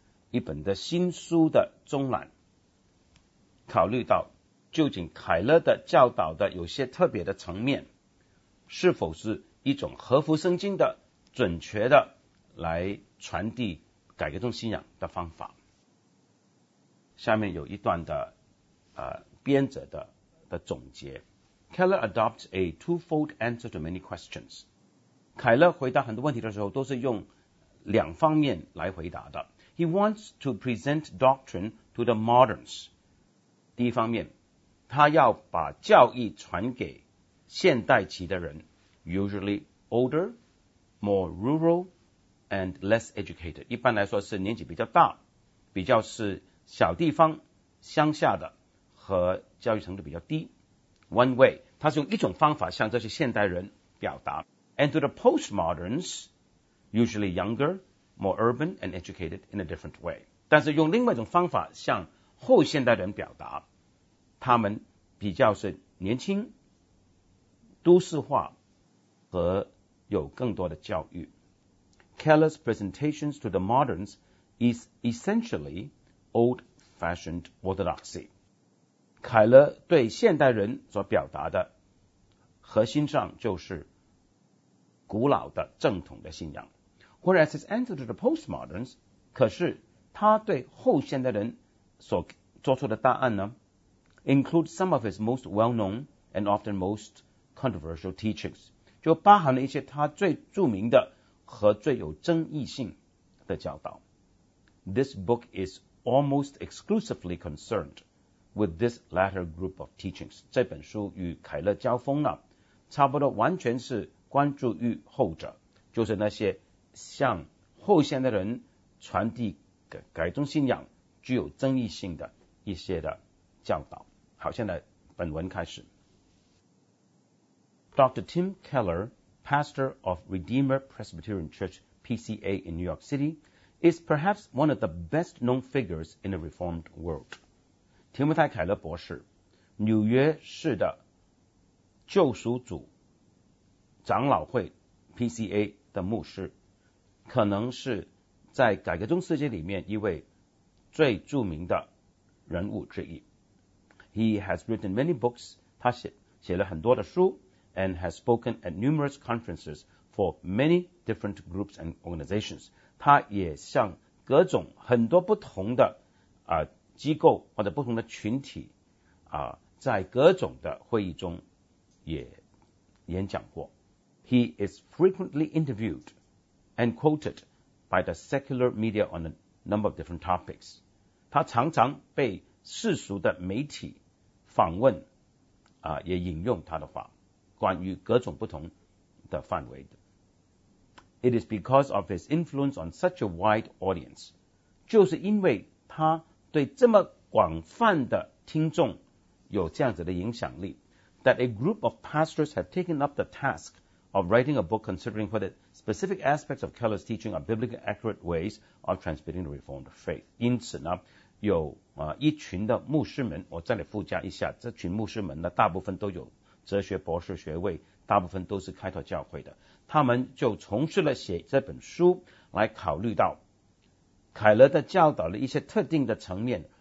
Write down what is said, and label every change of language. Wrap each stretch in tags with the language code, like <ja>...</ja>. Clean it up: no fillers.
<zh>一本的新书的中览，考虑到究竟凯勒的教导的有些特别的层面是否是一种合乎圣经的准确的来传递改革中信仰的方法。下面有一段的编者的总结。</zh> <en>Keller adopts a twofold answer to many questions。</en> <zh>凯勒回答很多问题的时候都是用两方面来回答的。</zh> <en>He wants to present doctrine to the moderns。</en> <zh>第一方面，他要把教义传给现代期的人，</zh> <en>usually older, more rural and less educated。</en> <zh>一般来说是年纪比较大，比较是小地方乡下的和教育程度比较低。</zh> <en>One way，</en> <zh>他是用一种方法向这些现代人表达。</zh> <en>And to the postmoderns， usually younger, more urban and educated in a different way，</en> <zh>但是用另外一种方法向后现代人表达，他们比较是年轻、都市化和有更多的教育。</zh> <en>Keller's presentations to the moderns is essentially old-fashioned orthodoxy。</en> <zh>凯勒对现代人所表达的核心上就是古老的正统的信仰。</zh> <en>Whereas his answer to the postmoderns，</en> <zh>可是他对后现代人所做出的答案呢，</zh> <en>include some of his most well-known and often most controversial teachings，</en> <zh>就包含了一些他最著名的和最有争议性的教导。</zh> <en>This book is almost exclusively concerned with this latter group of teachings，</en> <zh>这本书与凯勒交锋了，差不多完全是关注于后者，就是那些向后现代人传递改宗信仰具有争议性的一些的教导。好，现在本文开始。</zh> <en>Dr. Tim Keller, pastor of Redeemer Presbyterian Church, PCA in New York City, is perhaps one of the best known figures in the Reformed world。</en> <zh>提摩太·凯勒博士，纽约市的救赎主长老会 PCA 的牧师，可能是在改革宗世界里面一位最著名的人物之一。</zh> <en>He has written many books，</en> <zh>他写了很多的书，</zh> <en>and has spoken at numerous conferences for many different groups and organizations，</en> <zh>他也向各种很多不同的机构或者不同的群体在各种的会议中也演讲过。</zh> <en>He is frequently interviewed and quoted by the secular media on a number of different topics，</en> <zh>他常常被世俗的媒体访问也引用他的话关于各种不同的范围的。</zh> <en>It is because of his influence on such a wide audience，</en> <zh>就是因为他对这么广泛的听众有这样子的影响力，</zh> <en>that a group of pastors have taken up the task of writing a book considering whether specific aspects of Keller's teaching are biblically accurate ways of transmitting the Reformed faith。</en> <zh>因此呢，有一群的牧师们，我这里附加一下，这群牧师们呢，大部分都有哲学博士学位，大部分都是开拓教会的，他们就从事了写这本书来考虑到凯勒的教导的一些特定的层面</zh>